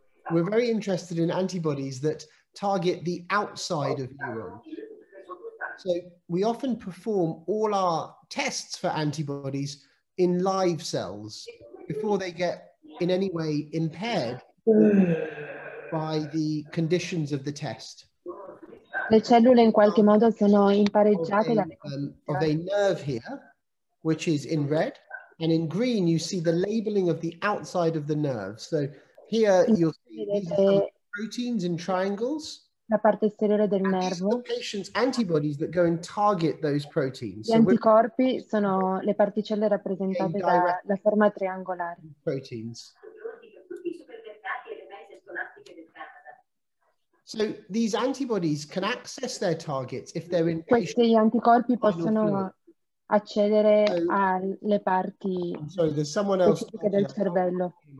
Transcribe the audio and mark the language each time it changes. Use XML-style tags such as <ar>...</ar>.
<en>we're very interested in antibodies that target the outside of neurons. So we often perform all our tests for antibodies in live cells before they get in any way impaired by the conditions of the test.</en> <it>Le cellule in qualche modo sono impareggiate da</it> <en>of a nerve here, which is in red, and in green you see the labeling of the outside of the nerve. So here you'll see these proteins in triangles.</en> <it>La parte esteriore del nervo.</it> <en>And these are the patient's antibodies that go and target those proteins.</en> <it>Gli anticorpi sono le particelle rappresentate dalla forma triangolare.</it> <en>Proteins. So these antibodies can access their targets if they're in patient.</en> <it>Questi anticorpi possono accedere alle parti specifiche del cervello.</it>